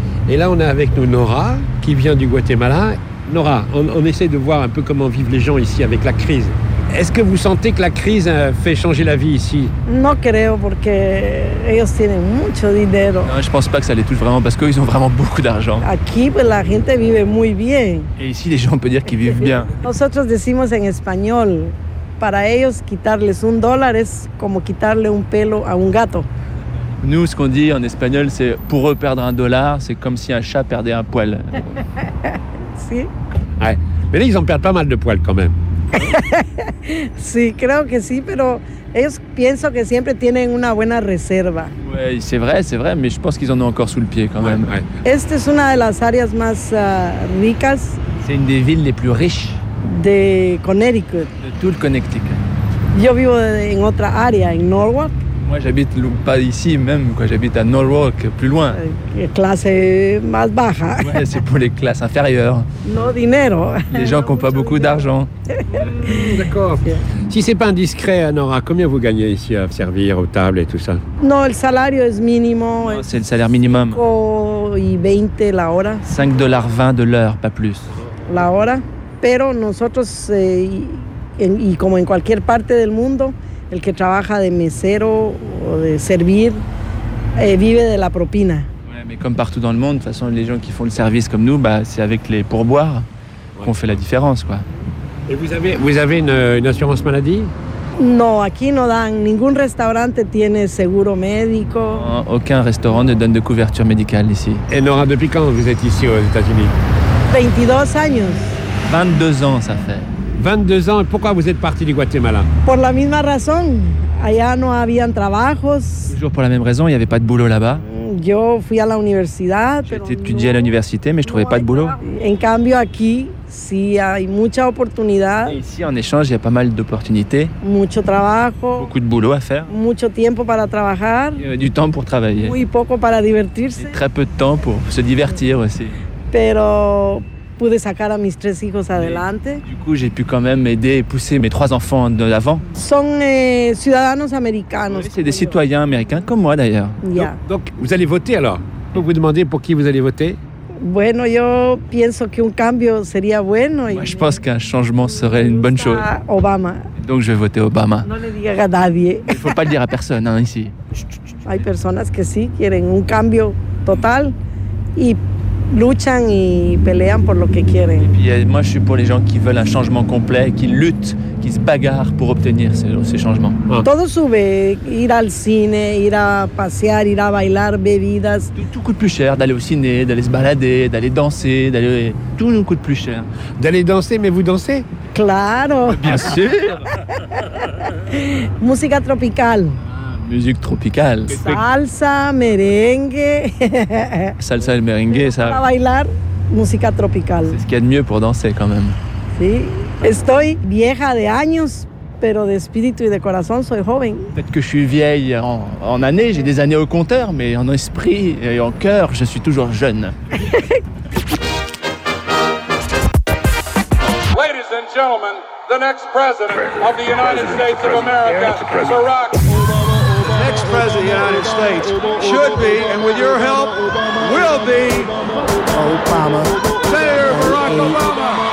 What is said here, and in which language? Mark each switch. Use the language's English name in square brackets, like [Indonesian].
[French] Et là, on a avec nous Nora qui vient du Guatemala. Nora, on essaie de voir un peu comment vivent les gens ici avec la crise. Est-ce que vous sentez que la crise fait changer la vie ici? [Spanish] No creo porque ellos tienen mucho dinero. [French] Non, je pense pas que ça les touche vraiment parce qu'ils ont vraiment beaucoup d'argent. [Spanish] Aquí pues, la gente vive muy bien. [French] Et ici les gens on peut dire qu'ils vivent bien. [Spanish] Nosotros decimos en español para ellos quitarles un dólar es como quitarle un pelo a un gato. [French] Nous ce qu'on dit en espagnol c'est pour eux perdre un dollar c'est comme si un chat perdait un poil. [Spanish] Si. [French] Ouais. Mais là ils en perdent pas mal de poils quand même. [Spanish] Sí, creo que sí, pero ellos pienso que siempre tienen una buena reserva. [French] Ouais, c'est vrai, mais je pense qu'ils en ont encore sous le pied quand même. Ouais. [Spanish] Esta es una de las áreas más ricas. [French] C'est une des villes les plus riches [Spanish] de Connecticut. [French] De tout le Connecticut. [Spanish] Yo vivo en otra área, en Norwalk. [French] Moi, j'habite pas ici même, quoi. J'habite à Norwalk, plus loin. [Spanish] Classe más baja. [French] Ouais, c'est pour les classes inférieures. [Spanish] No dinero. [French] Les gens qui n'ont pas beaucoup d'argent. D'accord. Si c'est pas indiscret, Nora, combien vous gagnez ici à servir aux tables et tout ça? [Spanish] Non, le salario es mínimo. [French] C'est le salaire minimum. [Spanish] 5,20 la hora. [French] $5.20 de l'heure, pas plus. [Spanish] La hora. Pero nosotros, y como en cualquier parte del mundo, el que trabaja de mesero o de servir vive de la propina. [French] Ouais, mais comme partout dans le monde, de toute façon, les gens qui font le service comme nous, bah, c'est avec les pourboires qu'on fait la différence, quoi. Et vous avez une assurance maladie? [Spanish] No, aquí no dan. Ningún restaurante tiene seguro médico. [French] Non, aucun restaurant ne donne de couverture médicale ici. Et Nora, depuis quand vous êtes ici aux États-Unis? [Spanish] 22 años. [French] 22 ans, ça fait. 22 ans, pourquoi vous êtes parti du Guatemala? [Spanish] Por la misma razón. Allá no habían trabajos. [French] Toujours pour la même raison, il n'y avait pas de boulot là-bas. [Spanish] Yo fui a la universidad. [French] J'ai étudié à l'université, mais je ne trouvais pas de boulot. [Spanish] En cambio, aquí, sí hay mucha oportunidad. [French] Ici, en échange, il y a pas mal d'opportunités. [Spanish] Mucho trabajo. [French] Beaucoup de boulot à faire. [Spanish] Mucho tiempo para trabajar. [French] Du temps pour travailler. [Spanish] Muy poco para divertirse. [French] Et très peu de temps pour se divertir aussi. [Spanish] Pero pude sacar a mis tres hijos adelante. [French] Du coup, j'ai pu quand même aider et pousser mes trois enfants de l'avant. [Spanish] Son ciudadanos americanos. [French] Oui, c'est des citoyens américains comme moi d'ailleurs. [English] Yeah. [French] Donc, vous allez voter alors? Vous vous demandez pour qui vous allez voter? [Spanish] Bueno, yo pienso que un cambio sería bueno. [French] Moi, je pense qu'un changement serait une bonne chose. [Spanish] Obama. [French] Donc, je vais voter Obama. [Spanish] No le diga a nadie. [French] Il faut pas le dire à personne hein, ici. [Spanish] Hay personas que sí quieren un cambio total y luchan y pelean por lo que quieren. [French] Et puis, moi, je suis pour les gens qui veulent un changement complet, qui luttent, qui se bagarrent pour obtenir ces changements. [Spanish] Ah. Todo sube, ir al cine, ir a pasear, ir a bailar, bebidas. [French] Tout coûte plus cher d'aller au ciné, d'aller se balader, d'aller danser, d'aller. Tout nous coûte plus cher. D'aller danser, mais vous dansez? [Spanish] Claro. [French] Bien sûr. [Spanish] Música tropical. [French] Musique tropicale. [Spanish] Salsa, merengue. [French] Salsa et merengue, ça. [Spanish] Para bailar, música tropical. [French] C'est ce qu'il y a de mieux pour danser, quand même. [Spanish] Sí. Estoy vieja de años, pero de espíritu y de corazón soy joven. [French] Peut-être que je suis vieille en années, j'ai des années au compteur, mais en esprit et en cœur, je suis toujours jeune. [English] Ladies and gentlemen, the next president of the United States of America, Barack Obama. Next president of the United States should be, and with your help, will be Obama. Senator Barack Obama.